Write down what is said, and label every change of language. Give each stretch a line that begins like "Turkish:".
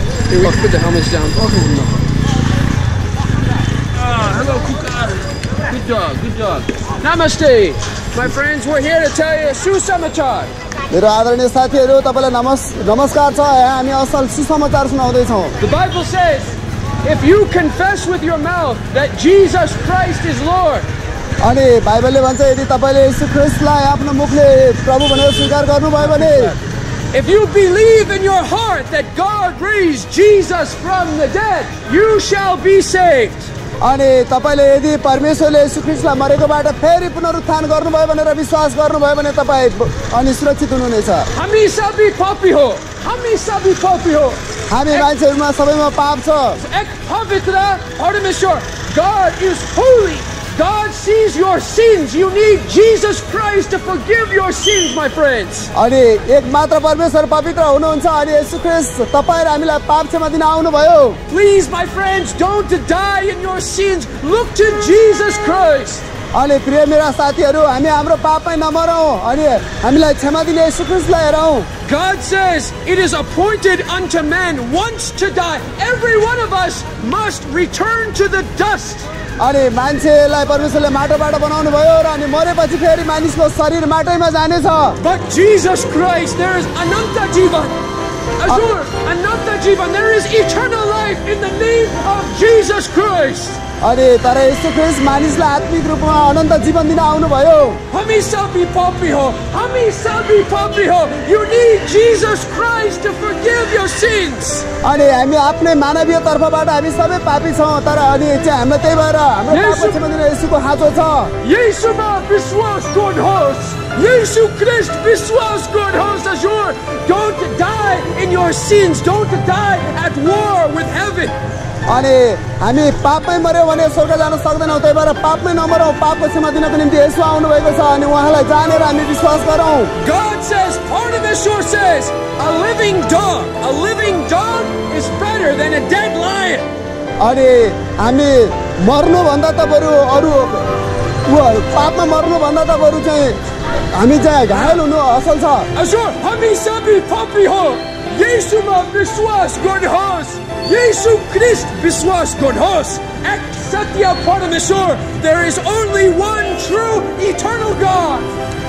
English: Hey, look, put the helmets down. Oh, no. Hello, Kukar. Good dog, good dog. Namaste. My friends, we're here to tell you a Susamachar.
Nepali: मेरो आदरणीय साथीहरु तपाईलाई नमस्कार छ हामी असल सुसमाचार सुनाउँदै छौ
English: The Bible says if you confess with your mouth that Jesus Christ is Lord
Nepali: अनि बाइबलले भन्छ यदि तपाईले येशू ख्रीष्टलाई आफ्नो मुखले प्रभु भनेर स्वीकार गर्नुभयो भने
English: If you believe in your heart that God raised Jesus from the dead you shall be saved
Nepali: अनि तपाईले यदि परमेश्वरले येशू ख्रीष्टलाई मरेकोबाट फेरि पुनरुत्थान गर्नुभयो भनेर विश्वास गर्नुभयो भने तपाई अनि सुरक्षित हुनुहुनेछ हामी सबै पापी हो हामी सबै पापी हो हामी मान्छेहरुमा सबैमा पाप छ एक पवित्र परमेश्वर
English: God is holy God sees your sins you need Jesus Christ to forgive your sins my friends
Nepali: अनि एकमात्र परमेश्वर पवित्र हुनुहुन्छ अनि येशू ख्रीष्ट तपाईहरु हामीलाई पाप क्षमा दिन आउनुभयो
English: please my friends don't die in your sins look to Jesus Christ
Nepali: अनि प्रिय मेरा साथीहरु हामी हाम्रो पापमै नमरौ अनि हामीलाई क्षमा दिने येशू ख्रीष्टलाई हेरौ
English: God says it is appointed unto man once to die every one of us must return to the dust
Nepali: अनि मान्छेलाई परमेश्वरले माटोबाट बनाउनु भयो र अनि मरेपछि फेरि मानिसको शरीर माटैमा जानेछ
English: But Jesus Christ there is
Nepali: anant jeevan Azure anant jeevan
English: there is eternal life in the name of Jesus Christ
Nepali: अरे तर येशू ख्रीष्ट मानिसलाई आत्मिक रूपमा अनन्त जीवन दिन आउनुभयो हामी सबै पापी हो
English: you need Jesus Christ to forgive your sins
Nepali: अनि हामी आफ्नै मानवीय तर्फबाट हामी सबै पापी छौ तर अनि चाहिँ हामी त्यही भएर हाम्रो पाप क्षमा दिन येशूको हातो छ येशूमा विश्वास गर्नुहोस् येशू ख्रीष्ट विश्वास गर्नुहोस्
English: अजुर don't die in your sins don't die at war with heaven
Nepali: अनि हामी पापमै मर्यो भने स्वर्ग जान सक्दैनौ त्यही भएर पापमै नमरौ पापको क्षमा दिनको निम्ति येशू आउनु भएको छ अनि उहाँलाई जानेर हामी विश्वास गरौ
English: God says part of the sure says a living dog is better than a dead lion
Nepali: अनि हामी मर्नु भन्दा त बरु अरु पापमा मर्नु भन्दा त बरु चाहिँ हामी चाहिँ घायल हुनु असल छ sure हामी सबै पापी हो येशूमा विश्वास गर्नुहोस् येशू ख्रीष्ट विश्वास गर्नुहोस् एक सत्य परमेश्वर
English: there is only one true eternal God